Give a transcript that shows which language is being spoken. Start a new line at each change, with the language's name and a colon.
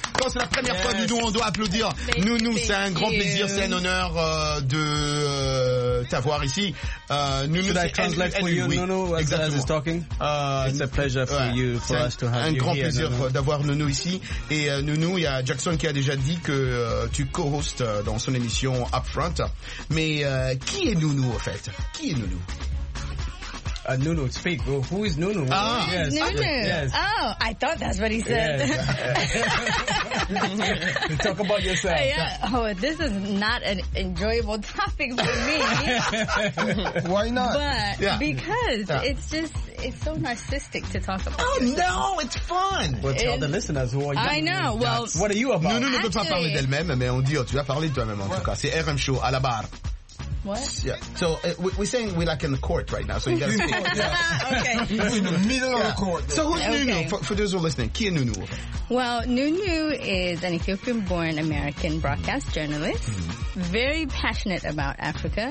French: Quand c'est la première fois Nounou, on doit applaudir. Nounou, c'est un grand plaisir, c'est un honneur de t'avoir ici.
English: Should I translate for you, Nounou, as he's talking? It's a pleasure for you, for us to have you here.
French: Un grand plaisir d'avoir Nounou ici. Et Nounou, il y a Jackson qui a déjà dit que tu co-hostes dans son émission Upfront. Mais qui est Nounou, en fait? Qui est Nounou?
English: Nounou, speak. Who is Nounou? Ah, yes. Nounou. Yes. Oh, I thought that's what he said. Yes. Talk about yourself. Yeah. Oh, this is not an enjoyable topic for me. Why not? But because it's just... It's so narcissistic to talk about. Oh, no, it's fun. Well, tell the listeners who are you. I know. Well, what are you about?
French: Nounou ne peut pas parler d'elle-même, mais on dit, tu vas parler de toi-même, en tout cas. C'est RM Show à la barre.
English: What? Yeah. So we're saying we're like in the court right now. So you gotta speak. Okay. In the middle of the court. So who's Nounou? For those who are listening, Kia Nounou. Well, Nounou is an Ethiopian-born American broadcast journalist. Very passionate about Africa.